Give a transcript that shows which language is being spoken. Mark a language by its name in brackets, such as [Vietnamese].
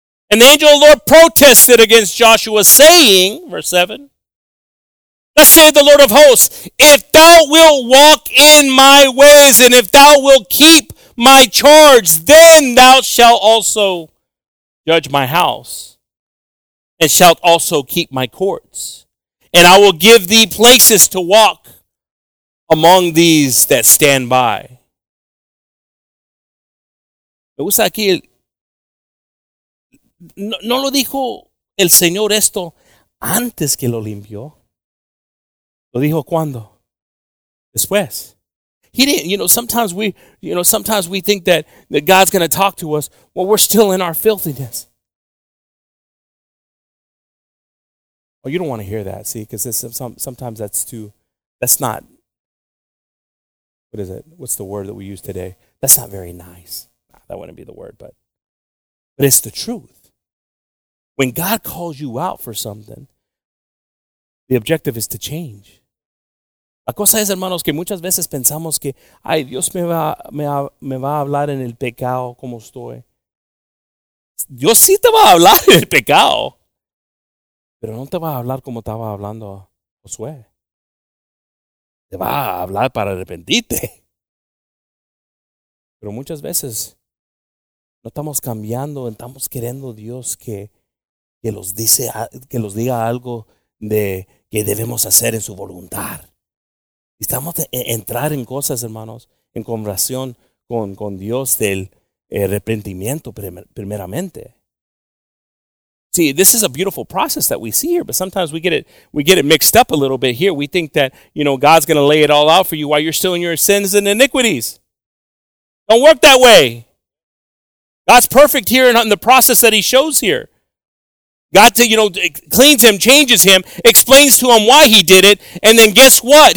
[English] And the angel of the Lord protested against Joshua, saying, verse 7, thus saith the Lord of hosts, if thou wilt walk in my ways and if thou wilt keep my charge, then thou shalt also judge my house, and shalt also keep my courts. And I will give thee places to walk among these that stand by. [Spanish] Me gusta aquí. No lo dijo el Señor esto antes que lo limpió. Lo dijo cuando? Después. [English] He didn't, you know, sometimes we think that God's going to talk to us while we're still in our filthiness. Well, you don't want to hear that, see, because sometimes that's not, what is it? What's the word that we use today? That's not very nice. Nah, that wouldn't be the word, but it's the truth. When God calls you out for something, the objective is to change. [Spanish] La cosa es, hermanos, que muchas veces pensamos que, ay, Dios me va a hablar en el pecado como estoy. Dios sí te va a hablar en el pecado. Pero no te va a hablar como estaba hablando Josué. Te va a hablar para arrepentirte. Pero muchas veces no estamos cambiando, estamos queriendo Dios que los diga algo de que debemos hacer en su voluntad. Estamos de entrar en cosas, hermanos, en conversación con Dios del arrepentimiento primeramente. [English] See, this is a beautiful process that we see here, but sometimes we get it mixed up a little bit here. We think that, you know, God's going to lay it all out for you while you're still in your sins and iniquities. Don't work that way. God's perfect here in the process that he shows here. God, you know, cleans him, changes him, explains to him why he did it, and then guess what?